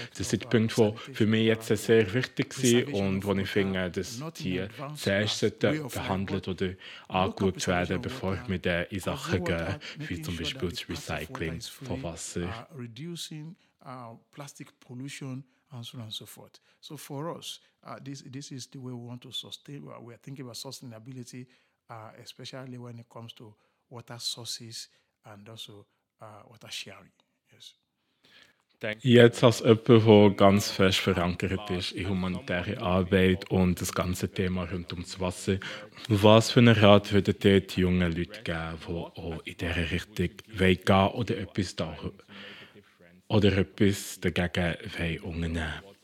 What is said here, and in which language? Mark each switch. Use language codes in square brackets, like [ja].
[de] Das sind die Punkte, die für mich jetzt sehr wichtig waren und wo ich finde, dass die zuerst behandelt oder angeschaut werden, bevor wir dann in Sachen gehen, wie zum Beispiel das Recycling von Wasser. [en] Reducing plastic pollution and so on and so forth. So for us, this is the way we want to sustain. We are thinking about sustainability, especially when it comes to water sources and also water sharing. Yes. [de] Jetzt als jemand, der ganz fest verankert ist in humanitäre Arbeit und das ganze Thema rund ums Wasser, was für einen Rat würdet ihr die jungen Leute geben, die auch in dieser Richtung gehen wollen oder etwas da? Oder etwas dagegen unternehmen.